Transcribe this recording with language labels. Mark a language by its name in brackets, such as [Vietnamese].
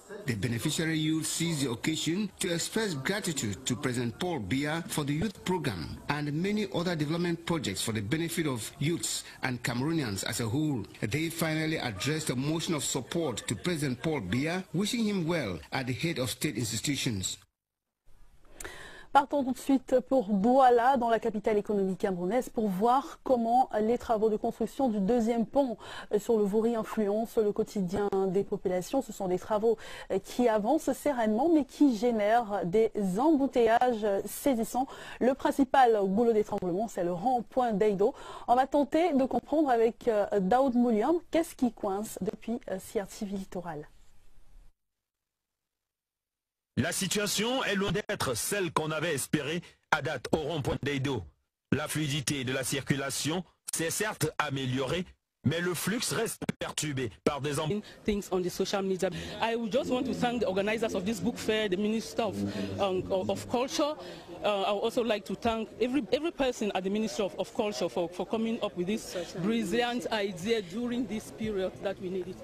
[English] The beneficiary youth seized the occasion to express gratitude to President Paul Biya for the youth program and many other development projects for the benefit of youths and Cameroonians as a whole. They finally addressed a motion of support to President Paul Biya, wishing him well at the head of state institutions. [French] Partons tout de suite pour Douala, dans la capitale économique camerounaise, pour voir comment les travaux de construction du deuxième pont sur le Vuri influencent le quotidien des populations. Ce sont des travaux qui avancent sereinement, mais qui génèrent des embouteillages saisissants. Le principal goulot d'étranglement, c'est le rond-point d'Eido. On va tenter de comprendre avec Daoud Mouliam qu'est-ce qui coince depuis CRTV Littoral. La situation est loin d'être celle qu'on avait espérée à date au rond-point d'Eido. La fluidité de la circulation s'est certes améliorée, mais le flux reste perturbé par des [English] things on the social media. I just want to thank the organizers of this book fair, the Minister of Culture. I would also like to thank every person at the Ministry of Culture for coming up with this brilliant idea during this period that we needed.